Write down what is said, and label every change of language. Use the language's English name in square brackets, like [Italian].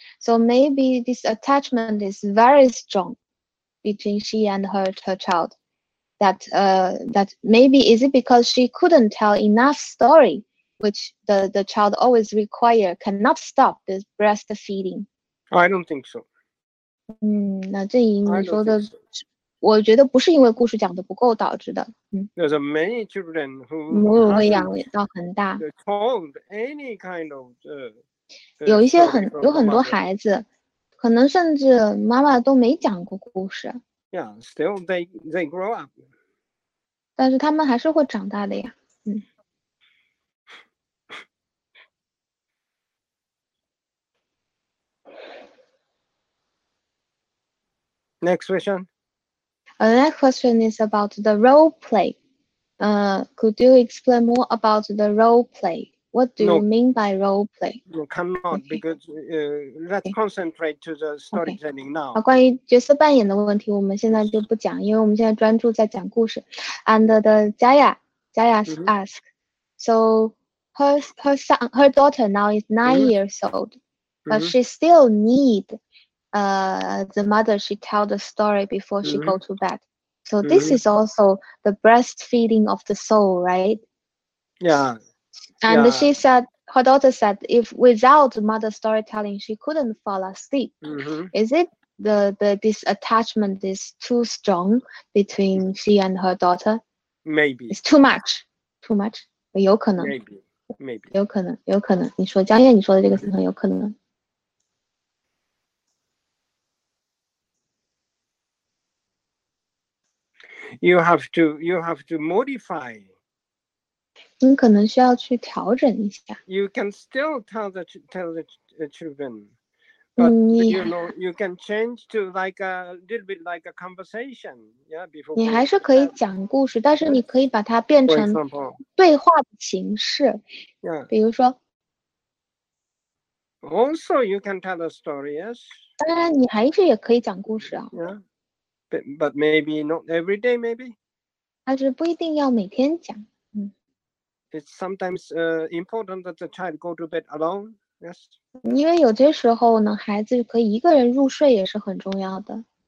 [English] So maybe this attachment is very strong between she and her child. That maybe is it because she couldn't tell enough story, which the child always require, cannot stop this breastfeeding. I don't think so. [Chinese] 那郑怡莹你说的，我觉得不是因为故事讲的不够导致的。 [English] There's many children who [Chinese] 母乳喂养到很大。 [English] Told any kind of [Chinese] 有一些很有很多孩子，可能甚至妈妈都没讲过故事。 [English] Yeah, still they grow up. [Chinese] 但是他们还是会长大的呀。 [English] Next question. Next question is about the role play. Could you explain more about the role play? What do you mean by role play? No, cannot because let's concentrate to the storytelling now. [Chinese] 关于角色扮演的问题，我们现在就不讲，因为我们现在专注在讲故事。 [English] And the Jaya asked, so her daughter now is 9 years old, but she still need the mother she tell the story before she go to bed. So this is also the breastfeeding of the soul, right? Yeah. And she said, her daughter said, if without mother storytelling, she couldn't fall asleep. Is it this attachment is too strong between she and her daughter? Maybe. It's too much. Too much. [Chinese] 有可能。 [English] Maybe. [Chinese] 有可能。有可能。你说江燕你说的这个是很有可能。 [English] You have to modify. [Chinese] 你可能需要去调整一下。 [English] You can still tell the children, but you know you can change to like a little bit like a conversation, yeah. Before [Chinese] 你还是可以讲故事，但是你可以把它变成对话的形式。 [English] Yeah. [Chinese] 比如说。 [English] Also, you can tell a story, yes. [Chinese] 当然，你还是也可以讲故事啊。 [English] Yeah. But maybe not every day, maybe. [Chinese] 但是不一定要每天讲。 [English] It's sometimes important that the child go to bed alone. Yes. [Chinese] 因为有些时候呢，孩子可以一个人入睡也是很重要的。